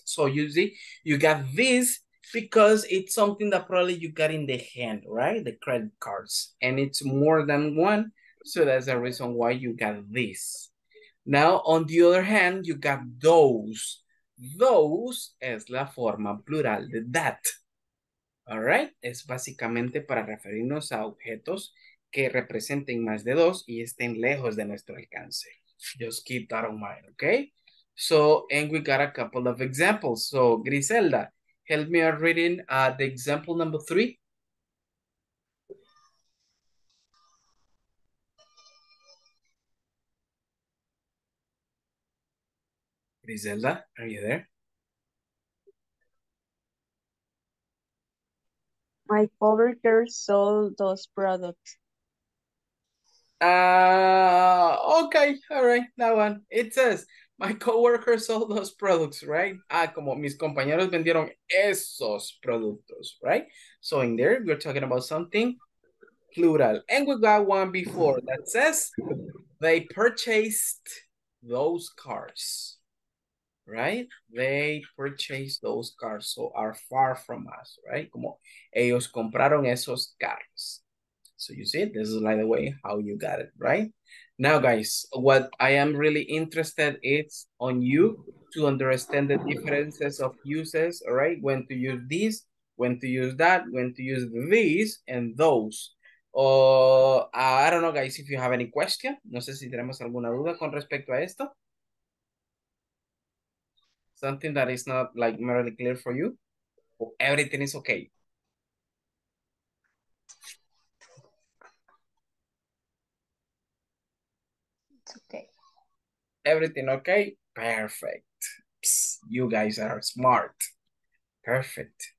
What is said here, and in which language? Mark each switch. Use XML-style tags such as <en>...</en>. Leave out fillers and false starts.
<en>So you see, you got this because it's something that probably you got in the hand, right? The credit cards. And it's more than one. So that's the reason why you got this. Now, on the other hand, you got those.</en> <es>those es la forma plural de that.</es> <en>All right?</en> <es>Es básicamente para referirnos a objetos que representen más de dos y estén lejos de nuestro alcance.</es> <en>Just keep that on mind, okay? So, and we got a couple of examples. So, Griselda, help me out reading the example number 3. Griselda, are you there? My coworker sold those products. Okay, all right, that one. It says, my coworker sold those products, right?</en> <es>Ah, como mis compañeros vendieron esos productos, right?</es> <en>So in there, we're talking about something plural. And we got one before that says, they purchased those cars. Right? They purchased those cars, so are far from us, right?</en> <es>Como ellos compraron esos carros.</es> <en>So you see, this is like the way how you got it, right? Now, guys, what I am really interested is on you to understand the differences of uses, all right? When to use this, when to use that, when to use these and those. I don't know, guys, if you have any question.</en> <es>No sé si tenemos alguna duda con respecto a esto.</es> <en>Something that is not like merely clear for you. Everything is okay. It's okay. Everything okay? Perfect. Psst, you guys are smart. Perfect.</en>